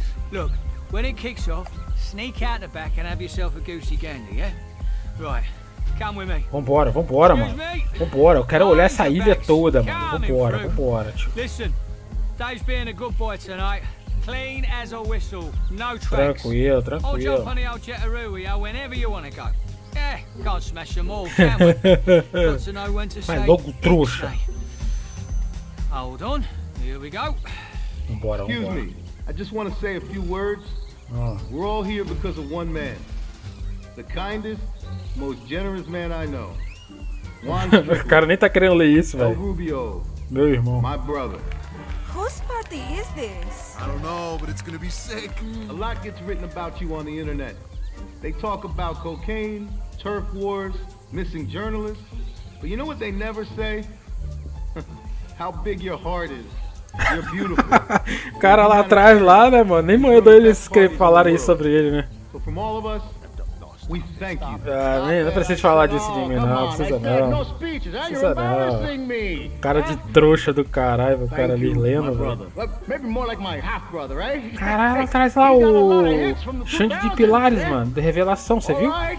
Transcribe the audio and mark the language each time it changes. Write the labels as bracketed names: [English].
[English] Look, when it kicks off, sneak out the back and have yourself a goosey gander, yeah? Right. [Portuguese] Vambora, vambora, mano. Vambora, eu quero olhar essa ilha toda, mano. Vambora, vambora, tio. Tranquilo, tranquilo. Vai logo, trouxa. Vambora, vambora. [English] We're all here because of one man. The kindest, most generous man I know. [Portuguese] O cara nem tá querendo ler isso, velho. Meu irmão. [English] My brother. Whose party is this? I don't know, but it's gonna be sick. A lot gets written about you on the internet. They talk about cocaine, turf wars, missing journalists. But you know what they never say? How big your heart is. You're beautiful. [Portuguese] O cara lá atrás lá, né, mano? Nem mandou eles que falaram isso sobre ele, né? [English] So from all of us, we thank you. Ah, man, [Portuguese] não precisa falar disso de mim, não. Precisa não. Precisa não. Cara de trouxa do caralho, o cara ali lendo, velho. Caralho, traz lá o Xande de Pilares, mano, de revelação, você viu?